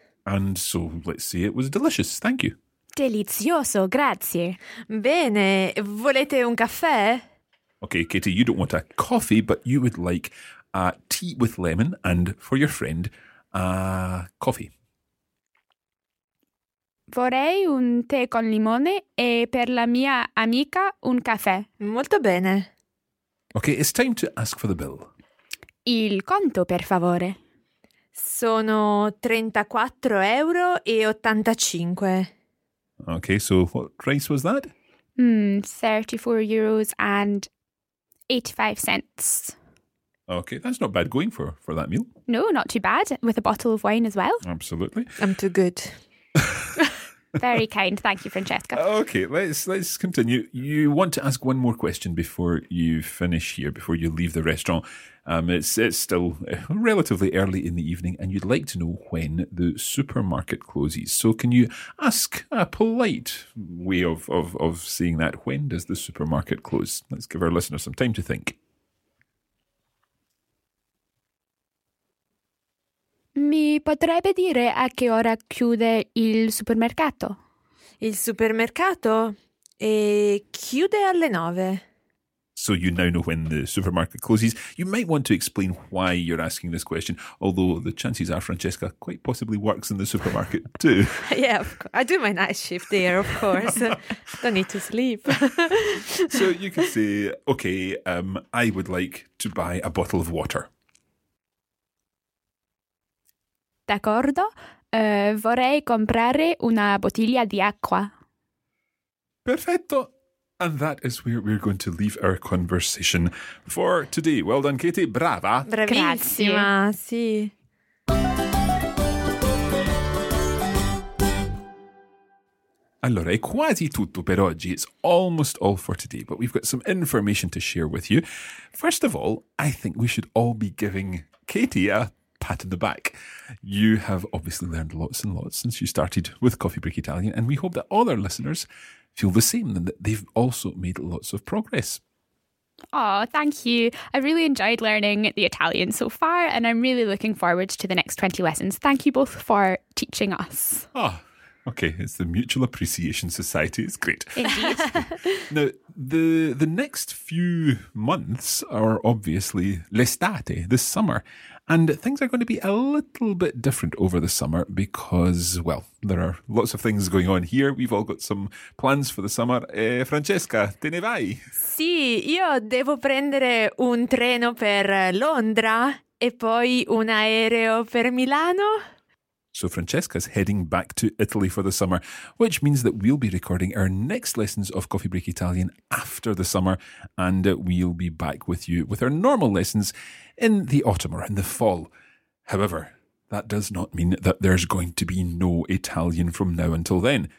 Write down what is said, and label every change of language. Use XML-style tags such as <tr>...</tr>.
<en>And so let's say it was delicious. Thank you.</en> <it>Delizioso, grazie. Bene, volete un caffè?</it> <en>Okay, Katie, you don't want a coffee, but you would like a tea with lemon and, for your friend, a coffee.</en> <it>Vorrei un tè con limone e per la mia amica un caffè. Molto bene.</it> <en>Okay, it's time to ask for the bill.</en> <it>Il conto, per favore. Sono 34 euro e 85.</it> <en>Okay, so what price was that? 34 euros and 85 cents. Okay, that's not bad going for that meal. No, not too bad, with a bottle of wine as well. Absolutely. I'm too good. Very kind. Thank you, Francesca. Okay, let's continue. You want to ask one more question before you finish here, before you leave the restaurant. It's still relatively early in the evening and you'd like to know when the supermarket closes. So can you ask a polite way of saying that? When does the supermarket close? Let's give our listeners some time to think.</en> <it>Mi potrebbe dire a che ora chiude il supermercato? Il supermercato? E chiude alle 9.</it> <en>So you now know when the supermarket closes. You might want to explain why you're asking this question, although the chances are Francesca quite possibly works in the supermarket too. Yeah, of course. I do my night shift there, of course. Don't need to sleep. So you could say, okay, I would like to buy a bottle of water.</en> <it>D'accordo. Vorrei comprare una bottiglia di acqua. Perfetto.</it> <en>And that is where we're going to leave our conversation for today. Well done, Katie.</en> <it>Brava. Bravissima. Sì. Allora, è quasi tutto per oggi.</it> <en>It's almost all for today, but we've got some information to share with you. First of all, I think we should all be giving Katie a pat on the back. You have obviously learned lots and lots since you started with Coffee Break Italian, and we hope that all our listeners feel the same and that they've also made lots of progress. Oh, thank you. I've really enjoyed learning the Italian so far, and I'm really looking forward to the next 20 lessons. Thank you both for teaching us. Oh, okay. It's the Mutual Appreciation Society. It's great. Indeed. Now, the next few months are obviously l'estate, this summer, and things are going to be a little bit different over the summer because, well, there are lots of things going on here. We've all got some plans for the summer.</en> <it>Francesca, te ne vai? Sì, io devo prendere un treno per Londra e poi un aereo per Milano.</it> <en>So Francesca's heading back to Italy for the summer, which means that we'll be recording our next lessons of Coffee Break Italian after the summer, and we'll be back with you with our normal lessons in the autumn or in the fall. However, that does not mean that there's going to be no Italian from now until then.</en>